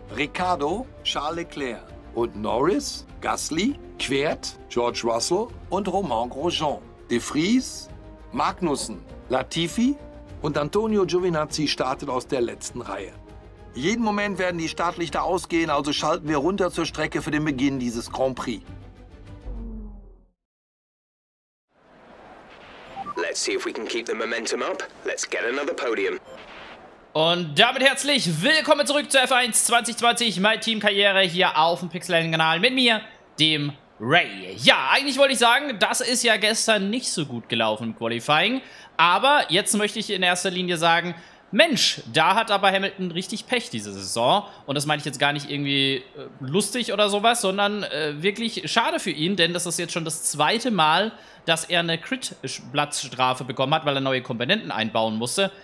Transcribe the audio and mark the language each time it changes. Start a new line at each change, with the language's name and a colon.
German: Ricciardo, Charles Leclerc und Norris, Gasly, Quert, George Russell und Romain Grosjean. De Vries, Magnussen, Latifi und Antonio Giovinazzi startet aus der letzten Reihe. Jeden Moment werden die Startlichter ausgehen, also schalten wir runter zur Strecke für den Beginn dieses Grand Prix.
English: Let's see if we can keep the momentum up. Let's get another podium.
German: Und damit herzlich willkommen zurück zur F1 2020, meine Teamkarriere hier auf dem Pixel-Kanal mit mir, dem Ray. Ja, eigentlich wollte ich sagen, das ist ja gestern nicht so gut gelaufen im Qualifying, aber jetzt möchte ich in erster Linie sagen, Mensch, da hat aber Hamilton richtig Pech diese Saison und das meine ich jetzt gar nicht irgendwie lustig oder sowas, sondern wirklich schade für ihn, denn das ist jetzt schon das zweite Mal, dass er eine Crit-Platzstrafe bekommen hat, weil er neue Komponenten einbauen musste.